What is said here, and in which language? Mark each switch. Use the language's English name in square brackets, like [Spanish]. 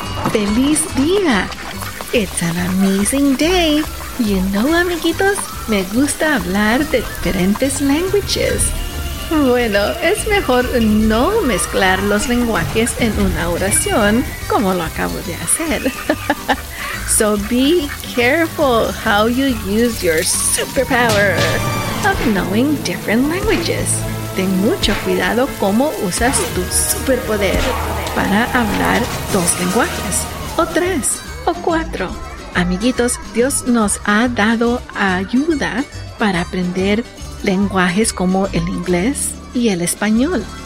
[Spanish] ¡Feliz día! [English] It's an amazing day. [Spanish] You know, amiguitos, me gusta hablar de diferentes languages. Bueno, es mejor no mezclar los lenguajes en una oración, como lo acabo de hacer. [English] So be careful how you use your superpower of knowing different languages. [Spanish] Ten mucho cuidado cómo usas tu superpoder para hablar dos lenguajes, o tres, o cuatro. Amiguitos, Dios nos ha dado ayuda para aprender lenguajes como el inglés y el español.